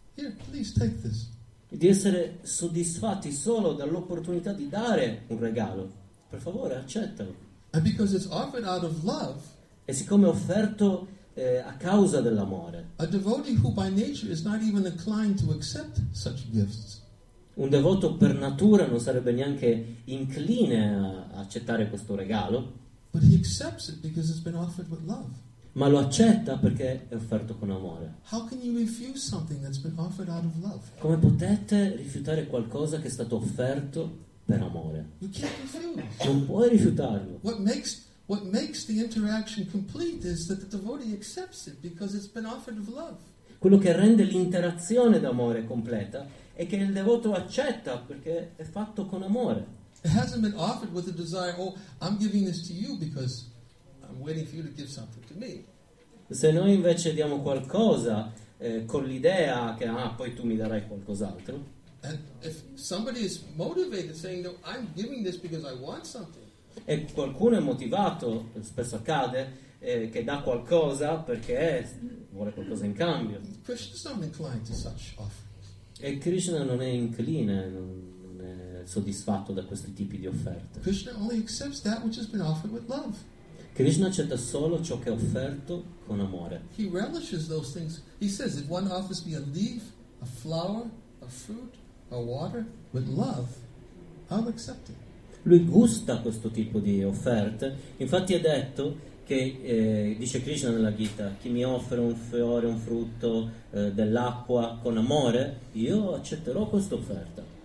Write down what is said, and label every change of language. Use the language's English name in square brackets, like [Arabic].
[English] Here, please take this. [Italian] Di essere soddisfatti solo dall'opportunità di dare un regalo. Per favore, accettalo. [English] And because it's offered out of love. [Italian] E siccome è offerto a causa dell'amore. [English] A devotee who by nature is not even inclined to accept such gifts. [Italian] Un devoto per natura non sarebbe neanche incline a accettare questo regalo. [English] But he accepts it because it's been offered with love. [Italian] Ma lo accetta perché è offerto con amore. [English] How can you refuse something that's been offered out of love? [Italian] Come potete rifiutare qualcosa che è stato offerto per amore? [English] You can't refuse. [Italian] Non puoi rifiutarlo. [English] What makes the interaction complete is that the devotee accepts it because it's been offered with love. [Italian] Quello che rende l'interazione d'amore completa è che il devoto accetta perché è fatto con amore. [English] It hasn't been offered with a desire, oh, I'm giving this to you because I'm waiting for you to give something to me. [Italian] Se noi invece diamo qualcosa con l'idea che poi tu mi darai qualcos'altro. [English] And if somebody is motivated saying, no, I'm giving this because I want something. [Italian] E qualcuno è motivato, spesso accade, che dà qualcosa perché vuole qualcosa in cambio. [English] Krishna's not inclined to such offerings. [Italian] E Krishna non è incline, soddisfatto da questi tipi di offerte. [English] Krishna only accepts that which has been offered with love. [Italian] Krishna accetta solo ciò che è offerto con amore. [English] He relishes those things. He says, if one offers me a leaf, a flower, a fruit, a water, with love, I'll accept it. [Italian] Lui gusta questo tipo di offerte. Infatti è detto che dice Krishna nella Gita, chi mi offre un fiore, un frutto, dell'acqua con amore, io accetterò questa offerta.